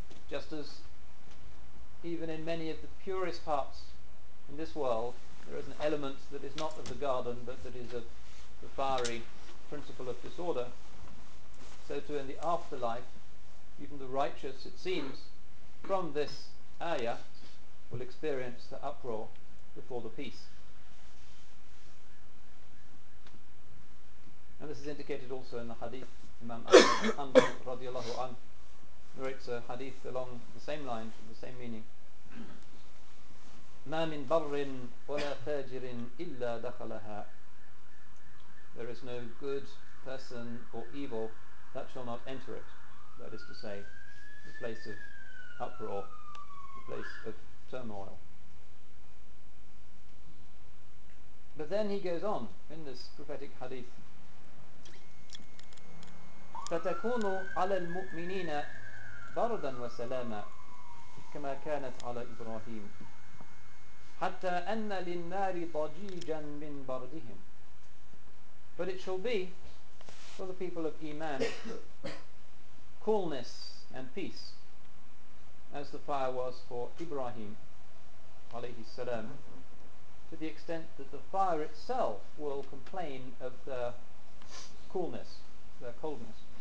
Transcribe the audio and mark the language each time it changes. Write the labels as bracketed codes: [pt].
[en] Just as even in many of the purest parts in this world, there is an element that is not of the garden, but that is of the fiery principle of disorder, so too in the afterlife, even the righteous, it seems, from this ayah, will experience the uproar before the peace. And this is indicated also in the hadith. Imam Hanbal radiallahu anhu narrates a hadith along the same lines, with the same meaning. [ar] ما من بر ولا فاجر إلا دخلها. [en] There is no good person or evil that shall not enter it. That is to say, the place of uproar, the place of turmoil. But then he goes on in this prophetic hadith. [ar] فتكون على المؤمنين بردا وسلاما كما كانت على إبراهيم. حتى أن للنار ضجيجا من بردهم. [en] But it shall be for the people of Iman coolness and peace, as the fire was for Ibrahim alayhi salam, to the extent that the fire itself will complain of their coolness, their coldness.